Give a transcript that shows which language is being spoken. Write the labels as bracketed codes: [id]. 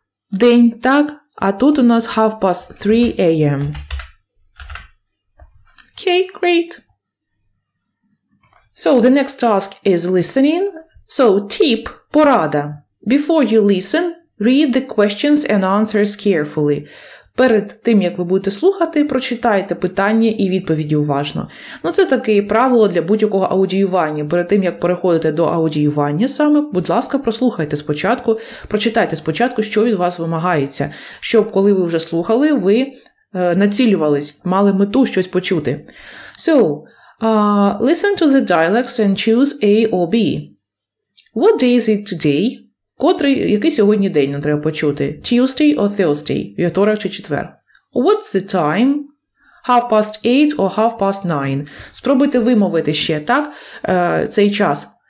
[uk] Then, так? А тут у нас 3:30 a.m. [en] Okay, great. So, the next task is listening. So, tip, порада. Before you listen, read the questions and answers carefully. [uk] Перед тим, як ви будете слухати, прочитайте питання і відповіді уважно. Ну, це таке правило для будь-якого аудіювання. Перед тим, як переходите до аудіювання саме, будь ласка, прослухайте спочатку, прочитайте спочатку, що від вас вимагається, щоб, коли ви вже слухали, ви націлювались, мали мету щось почути. [en] So, listen to the dialects and choose A or B. What day is it today? [uk] Котрий, який сьогодні день нам треба почути? [en] Tuesday or Thursday? [uk] Вівторок чи четвер? [en] What's the time? Half past eight or half past nine? [uk] Спробуйте вимовити ще, так, цей час.